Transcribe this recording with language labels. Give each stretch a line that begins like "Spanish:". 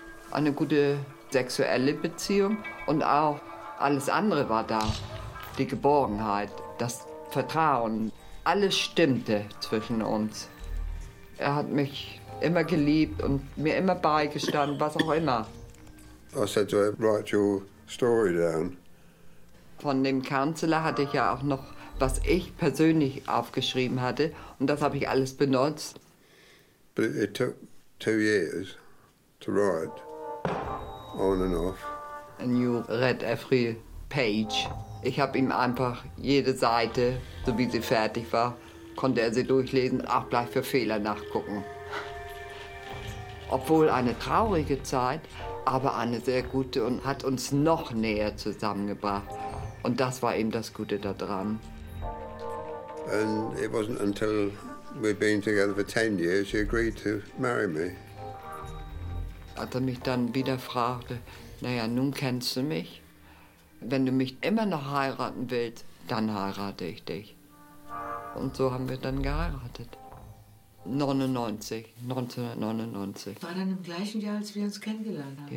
German: Eine gute sexuelle Beziehung und auch alles andere war da. Die Geborgenheit, das Vertrauen, alles stimmte zwischen uns. Er hat mich immer geliebt und mir immer beigestanden, was auch immer.
English: I said to him, write your story down.
German: Von dem Kanzler hatte ich ja auch noch, was ich persönlich aufgeschrieben hatte. Und das habe ich alles benutzt.
English: But it took 2 years to write, on and off. And you read every page.
German: Ich habe ihm einfach jede Seite, so wie sie fertig war, konnte er sie durchlesen, auch gleich für Fehler nachgucken. Obwohl eine traurige Zeit, aber eine sehr gute und hat uns noch näher zusammengebracht. Und das war eben das Gute daran.
English: And it wasn't until we'd been together for 10 years, you agreed to marry me.
German: Als er mich dann wieder fragte, naja, nun kennst du mich. Wenn du mich immer noch heiraten willst, dann heirate ich dich. Und so haben wir dann geheiratet. 1999. War dann im gleichen Jahr, als wir uns kennengelernt haben?